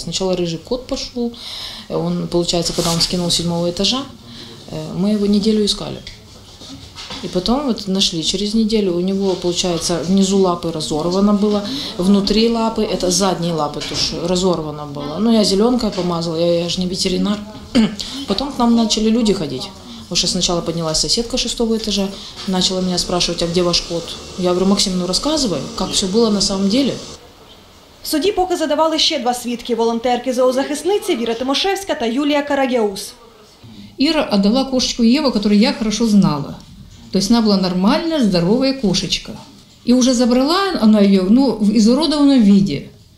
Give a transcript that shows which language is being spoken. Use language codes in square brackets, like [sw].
[uk] Спочатку рижий кот пішов, він, виходить, коли він скинув з 7-го етажа, ми його неділю шукали. І потім знайшли через неділю, у нього, виходить, внизу лапи розорвана була, внутрі лапи, це задні лапи тож розорвана була. Ну, я зеленкою помазала, я ж не ветеринар. Потім к нам почали люди ходити. [ru] Потому что сначала поднялась соседка 6-го этажа, начала меня спрашивать, а где ваш кот? Я говорю, Максим, ну рассказывай, как все было на самом деле. [uk] В суді поки задавали ще два свідки – волонтерки зоозахисниці Віра Тимошевська та Юлія Карагеус. Іра віддала кошечку Єву, яку я хорошо знала. Тобто вона була нормальна, здорова кошечка. І вже забрала вона її, ну, в ізородованому виді.